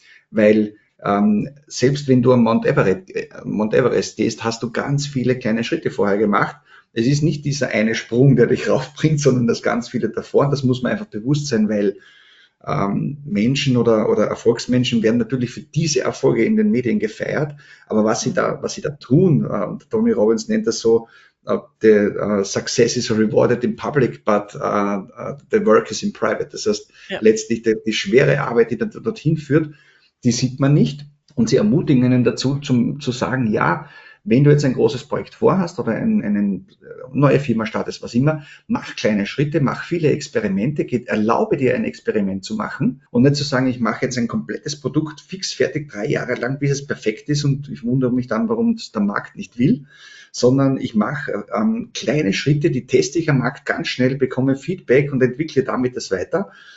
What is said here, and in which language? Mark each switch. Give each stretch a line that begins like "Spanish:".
German: Weil selbst wenn du am Mount Everest gehst, hast du ganz viele kleine Schritte vorher gemacht. Es ist nicht dieser eine Sprung, der dich raufbringt, sondern das ganz viele davor. Das muss man einfach bewusst sein, weil Menschen oder Erfolgsmenschen werden natürlich für diese Erfolge in den Medien gefeiert. Aber was sie da tun, Tony Robbins nennt das so,
English: Success is rewarded in public, but the work is in private.
German: Das heißt, letztlich die schwere Arbeit, die dorthin führt, die sieht man nicht. Und sie ermutigen einen dazu, zu sagen, ja, wenn du jetzt ein großes Projekt vorhast oder eine neue Firma startest, was immer, mach kleine Schritte, mach viele Experimente, erlaube dir ein Experiment zu machen und nicht zu sagen, ich mache jetzt ein komplettes Produkt fix fertig 3 Jahre lang, bis es perfekt ist und ich wundere mich dann, warum es der Markt nicht will, sondern ich mache kleine Schritte, die teste ich am Markt ganz schnell, bekomme Feedback und entwickle damit das weiter.